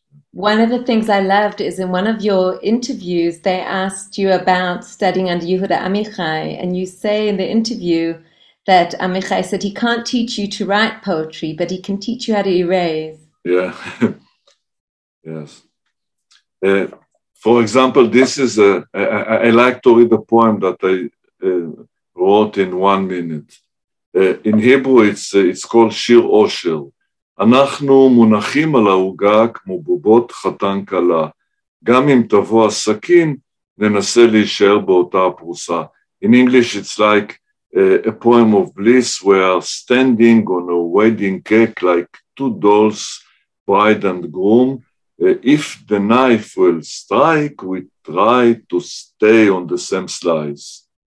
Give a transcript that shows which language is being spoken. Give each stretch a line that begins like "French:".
English: One of the things I loved is in one of your interviews, they asked you about studying under Yehuda Amichai, and you say in the interview that Amichai said he can't teach you to write poetry, but he can teach you how to erase. Yeah. Yes. For example, this is I like to read a poem that I wrote in 1 minute. In Hebrew, it's called Shir Osher.
Hebrew: אנחנו מונחים על העוגה כמו בובות חתן קלה. גם אם תבוא הסכין, ננסה להישאר באותה הפרוסה.
English: In English, it's like a poem of bliss. We are standing on a wedding cake like two dolls, bride and groom. If the knife will strike, we try to stay on the same slice.